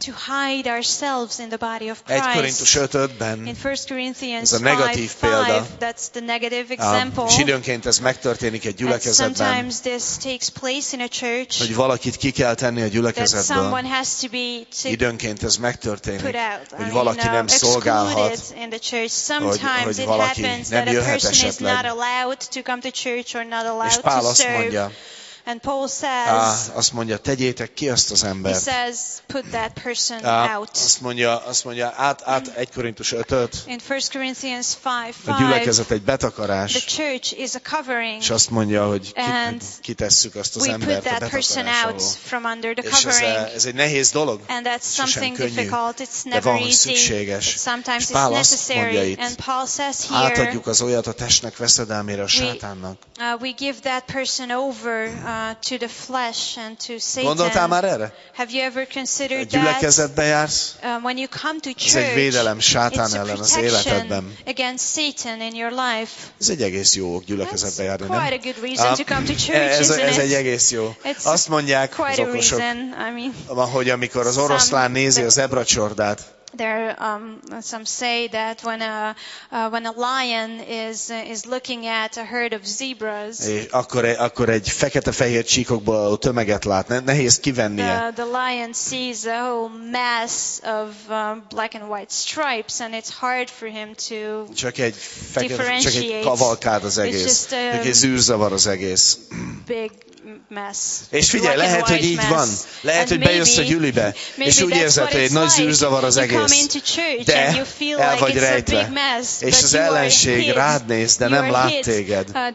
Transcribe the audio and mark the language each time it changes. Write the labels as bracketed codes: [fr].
[en] To hide ourselves in the body of Christ. [hu] 1 Korintus 5:5-ben. [en] In 1 Corinthians 5:5. That's the negative example. [hu] És időnként ez megtörténik egy gyülekezetben. [en] Sometimes this takes place in a church. [hu] Hogy valakit ki kell tenni a gyülekezetből. [en] That someone has to be taken. [hu] Időnként ez megtörténik. Hogy valaki nem szolgálhat. [en] In the church sometimes it happens that a person [hu] esetleg. [en] Is not allowed to come to church or not allowed to serve. [hu] És Pál azt mondja. [en] And Paul says, [hu] azt mondja, tegyétek ki azt az embert. [en] He says, put that person out. [hu] Azt mondja, át 1 Korintus 5-öt. [en] In 1 Corinthians 5:5. [hu] A gyülekezet egy betakarás. [en] The church is a covering. [hu] És azt mondja, hogy kitesszük azt az embert a betakarás alól. És ez egy nehéz dolog. [en] And that's something difficult. It's never [hu] easy. De van, hogy szükséges. [en] Sometimes it's necessary. And Paul says here, [hu] átadjuk az olyat a testnek veszedelmére a sátánnak. [en] We give that person over. To the flesh and to Satan. [hu] Gondoltál már erre? [en] Have you ever considered that? [hu] Gyülekezetbe jársz? [en] When you come to church, [hu] ez egy védelem sátán ellen az életedben. [en] Against Satan in your life. [hu] Ez egy egész jó ok gyülekezetbe járni, nem? [en] That's quite a good reason to come to church, isn't it? [hu] Ez egy egész jó. Azt mondják az okosok, hogy amikor az oroszlán nézi a zebra csordát, [en] there some say that when a lion is looking at a herd of zebras, [hu] akkor egy fekete-fehér csíkokból a tömeget lát, nehéz kivennie. [en] The lion sees a whole mass of black and white stripes and it's hard for him to differentiate. [hu] Csak egy kavalkád az egész, csak egy zűrzavar az egész. [en] Big mess. [hu] És figyelj, [en] black [hu] lehet, hogy így van. Lehet, [en] and [hu] hogy bejössz a gyülibe, és úgy érzed, hogy egy nagy zűrzavar az egész. De el vagy rejtve. És az ellenség rád néz, de nem lát téged.